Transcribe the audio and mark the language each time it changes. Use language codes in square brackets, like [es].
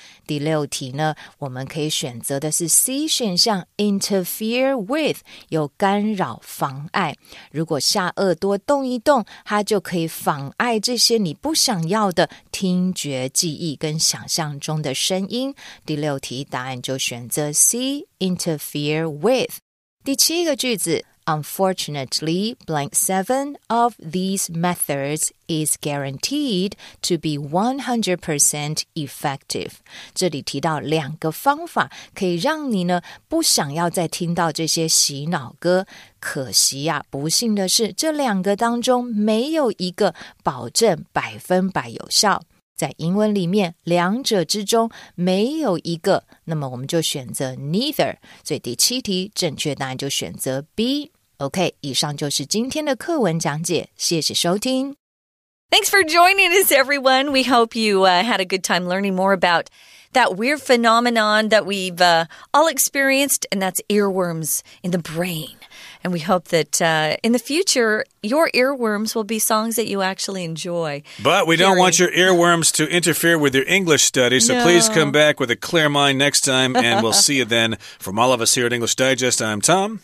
[zh] 第六题呢，我们可以选择的是 C 选项 interfere with, 有干扰妨碍。如果下颚多动一动，它就可以妨碍这些你不想要的听觉记忆跟想象中的声音。第六题答案就选择 C, interfere with。第七个句子 [en] Unfortunately, blank 7 of these methods is guaranteed to be 100% effective. [zh] 这里提到两个方法可以让你呢不想要再听到这些洗脑歌。可惜啊，不幸的是这两个当中没有一个保证百分百有效。在英文里面两者之中没有一个，那么我们就选择 neither。所以第七题正确答案就选择 B。OK, 以上就是今天的课文讲解，谢谢收听。 [en] Thanks for joining us, everyone. We hope you had a good time learning more about that weird phenomenon that we've all experienced, and that's earworms in the brain. And we hope that in the future, your earworms will be songs that you actually enjoy. But we don't want your earworms to interfere with your English study, so please come back with a clear mind next time, and we'll see you then. From all of us here at English Digest, I'm Tom.